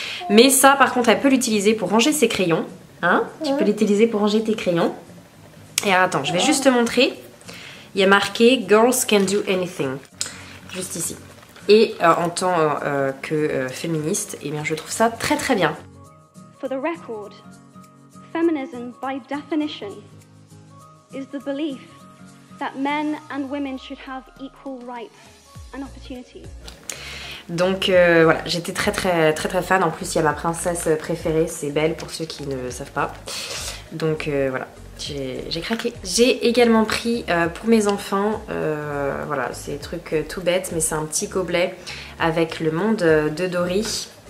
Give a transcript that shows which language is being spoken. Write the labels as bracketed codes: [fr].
[fr] Mais ça, par contre, elle peut l'utiliser pour ranger ses crayons. Hein, ouais. Tu peux l'utiliser pour ranger tes crayons. Et alors, attends, je vais juste te montrer. Il y a marqué « [en] Girls can do anything [fr] ». Juste ici. Et en tant que féministe, eh bien, je trouve ça très très bien. [en] For the record, feminism by definition is the belief that men and women should have equal rights and opportunities. [fr] Donc voilà, j'étais très très très très fan. En plus, il y a ma princesse préférée, c'est Belle pour ceux qui ne savent pas. Donc voilà, j'ai craqué. J'ai également pris pour mes enfants, voilà, c'est des trucs tout bêtes, mais c'est un petit gobelet avec le monde de Dory.